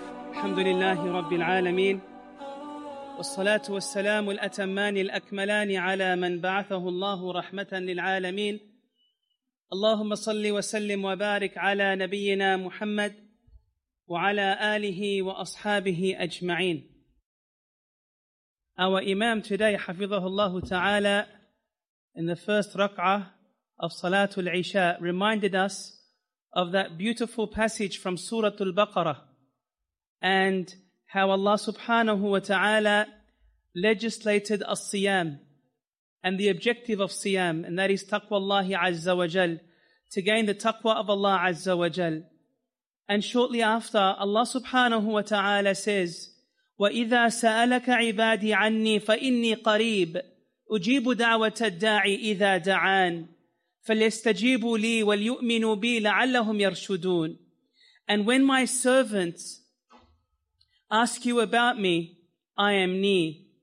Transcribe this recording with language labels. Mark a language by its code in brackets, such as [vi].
[ar] الحمد لله رب العالمين والصلاة والسلام الأتمان الأكملان على من بعثه الله رحمة للعالمين. اللهم صل وسلم وبارك على نبينا محمد وعلى آله وأصحابه أجمعين. [en] Our Imam today, Hafizahullahu Ta'ala, in the first rak'ah of Salatul Isha, reminded us of that beautiful passage from Suratul Baqarah and how Allah Subhanahu Wa Ta'ala legislated as-siyam and the objective of siyam, and that is taqwa Allah Azza wa Jal, to gain the taqwa of Allah Azza wa Jal. And shortly after, Allah Subhanahu Wa Ta'ala says, [ar] وَإِذَا سَأَلَكَ عِبَادِي عَنِّي فَإِنِّي قَرِيبٌ أُجِيبُ دَعْوَةَ الدَّاعِي إِذَا دَعَانِ فَلْيَسْتَجِيبُوا لِي وَلْيُؤْمِنُوا بِي لَعَلَّهُمْ يَرْشُدُونَ. [en] And when my servants ask you about me, I am near.